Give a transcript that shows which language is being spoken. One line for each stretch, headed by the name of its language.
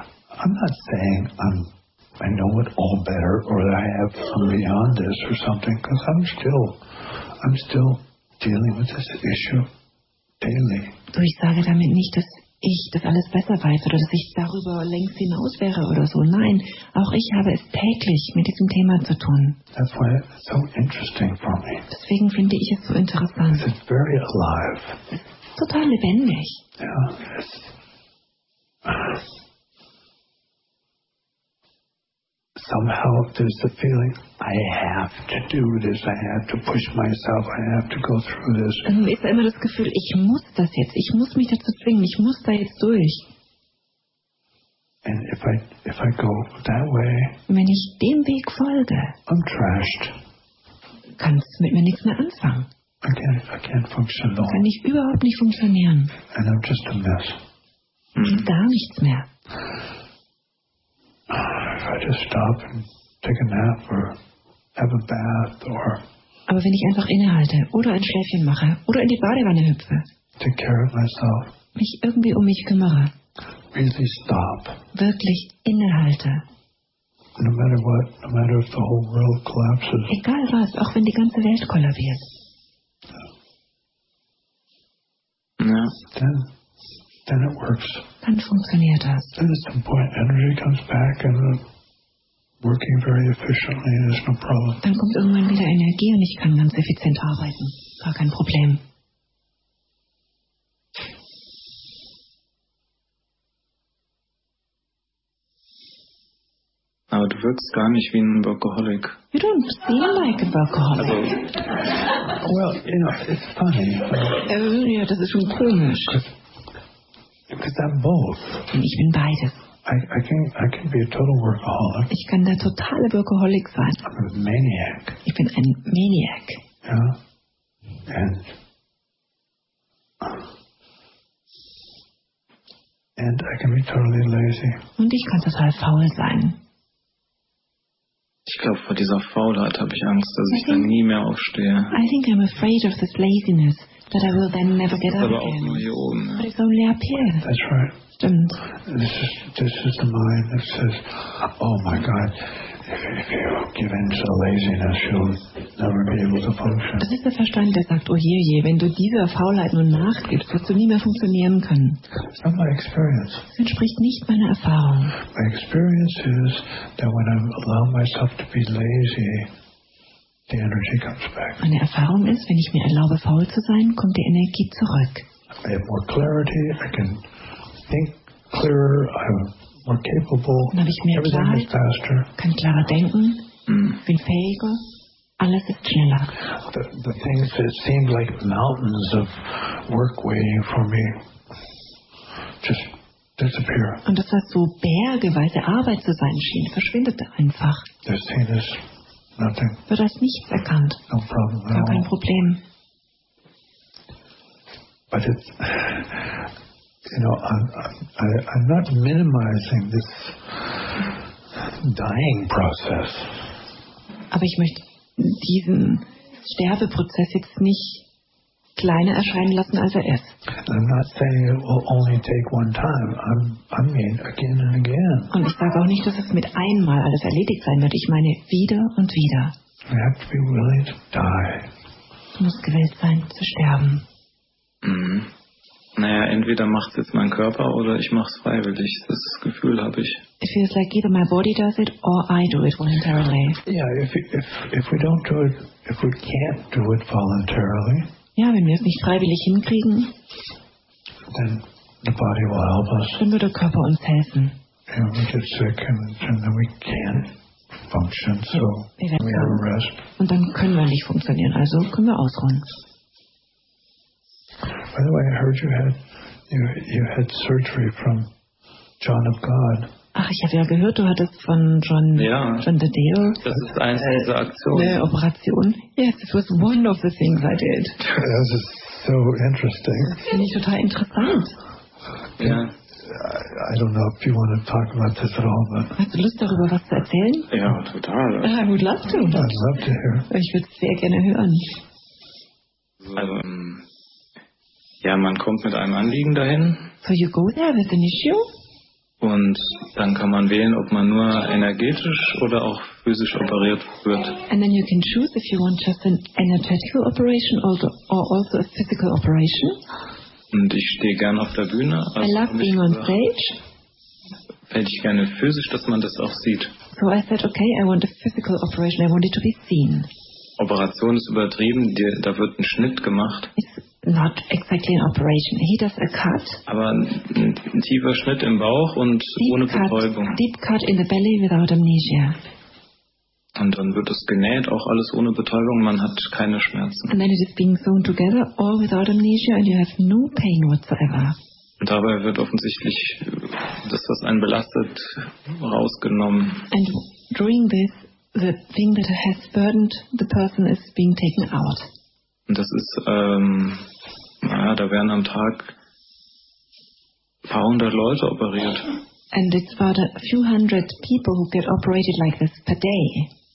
English: I'm not saying I know it all better, or that I have some beyond this or something, because I'm still dealing with this issue daily.
German: Du, ich sage damit nicht, dass ich das alles besser weiß oder dass ich darüber längst hinaus wäre oder so. Nein, auch ich habe es täglich mit diesem Thema zu tun.
English: That's why it's so interesting for me.
German: Deswegen finde ich es so interessant.
English: It's very alive.
German: Total lebendig.
English: Yeah, it's... Somehow there's the feeling, I have to do this, I have to push myself, I have to go through this.
German: Ist immer das Gefühl, ich muss das jetzt, ich muss mich dazu zwingen, ich muss da jetzt durch.
English: And if I go that way,
German: wenn ich dem Weg folge,
English: I'm trashed.
German: Kannst mit mir nichts mehr anfangen.
English: I can't function at all.
German: Kann ich überhaupt nicht funktionieren.
English: And I'm just a mess.
German: Und gar nichts mehr.
English: If I just stop and take a nap or have a bath or.
German: Aber wenn ich einfach innehalte oder ein Schläfchen mache oder in die Badewanne hüpfe.
English: Take care of myself.
German: Mich irgendwie um mich kümmere.
English: Really stop.
German: Wirklich innehalte.
English: No matter what, no matter if the whole world collapses.
German: Egal was, auch wenn die ganze Welt kollabiert. Ja.
English: Then it works.
German: Dann funktioniert das.
English: And at some point, energy comes back and working very efficiently. There's no problem.
German: Dann kommt irgendwann wieder Energie und ich kann ganz effizient arbeiten. Gar kein Problem. Aber du wirkst gar nicht wie ein Workaholic.
English: You don't seem like a workaholic. Also, well, you know, it's funny.
German: Ja, das ist schon komisch.
English: Because I'm both.
German: Ich bin beides.
English: I can be a total workaholic.
German: Ich kann der totale Workaholic sein.
English: I'm a maniac.
German: Ich bin ein Maniac.
English: Yeah. And I can be totally lazy.
German: Und ich kann total faul sein. Ich glaube, vor dieser Faulheit habe ich Angst, dass ich dann nie mehr aufstehe.
English: I think I'm afraid of this laziness. That I will then never get up again. But it's only up here. That's right.
German: Stimmt.
English: This is the mind that says, oh my God, if you give in to laziness, you'll never be able to function.
German: Das ist der Verstand, der sagt, oh je, wenn du dieser Faulheit nun nachgibst, wirst du nie mehr funktionieren können.
English: It's not my experience.
German: Das entspricht nicht meiner Erfahrung.
English: My experience is that when I allow myself to be lazy, the energy comes back.
German: Meine Erfahrung ist, wenn ich mir erlaube, faul zu sein, kommt die Energie zurück.
English: I have more clarity, I can think clearer, I'm more capable.
German: Dann habe ich mehr Klarheit, kann klarer denken, bin fähiger. Alles ist schneller.
English: The things that seemed like mountains of work waiting for me just disappear.
German: Und das, was so bergeweise Arbeit zu sein schien, verschwindet einfach.
English: They're seen as nothing.
German: Wird als nichts erkannt.
English: No problem at all.
German: Kein Problem.
English: But it's, you know, I'm not minimizing this dying process.
German: Aber ich möchte diesen Sterbeprozess jetzt nicht kleiner erscheinen lassen, als er ist.
English: I'm not saying it will only take one time. I mean again and again.
German: Und ich sage auch nicht, dass es mit einmal alles erledigt sein wird. Ich meine wieder und wieder.
English: You have to be willing to die.
German: Du musst gewillt sein zu sterben. Naja, entweder macht es jetzt mein Körper oder ich mache es freiwillig. Das Gefühl habe ich.
English: It feels like either my body does it or I do it voluntarily. Yeah, if we don't do it, if we can't do it voluntarily.
German: Ja, wenn wir es nicht freiwillig hinkriegen.
English: Then the body will help us.
German: Dann wird der Körper uns helfen.
English: And we get sick and then we can't function, so we have a rest.
German: Und dann können wir nicht funktionieren, also können wir ausruhen.
English: By the way, I heard you had surgery from John of God.
German: Ach, ich habe ja gehört, du hattest von John, ja,
English: John the Deal.
German: Das ist eine dieser Aktionen. Eine Operation.
English: Yes, it was one of the things I did. That is so interesting.
German: Das finde ich total interessant. Ja.
English: I don't know if you want to talk about this at all, but.
German: Hast du Lust, darüber was zu erzählen? Ja, total.
English: I would love to. I'd love to hear.
German: Ich würde sehr gerne hören. Also, ja, man kommt mit einem Anliegen dahin.
English: So you go there with an issue?
German: Und dann kann man wählen, ob man nur energetisch oder auch physisch operiert wird.
English: And then you can choose if you want just an energetic operation or also a physical operation.
German: Und ich stehe gern auf der Bühne.
English: Also I love being on stage.
German: Fände ich gerne physisch, dass man das auch sieht.
English: So I said, okay, I want a physical operation. I want it to be seen.
German: Operation ist übertrieben, da wird ein Schnitt gemacht.
English: It's not exactly an operation. He does a cut.
German: Aber ein tiefer Schnitt im Bauch und
English: deep
German: ohne Betäubung.
English: Deep cut in the belly without amnesia.
German: Und dann wird es genäht, auch alles ohne Betäubung. Man hat keine Schmerzen.
English: And then it is being sewn together, all without amnesia, and you have no pain whatsoever.
German: Und dabei wird offensichtlich das, was einen belastet, rausgenommen.
English: And during this, the thing that has burdened the person is being taken out.
German: Und das ist, naja, da werden am Tag ein paar hundert Leute operiert.
English: And it's about a few hundred people who get operated like this per day.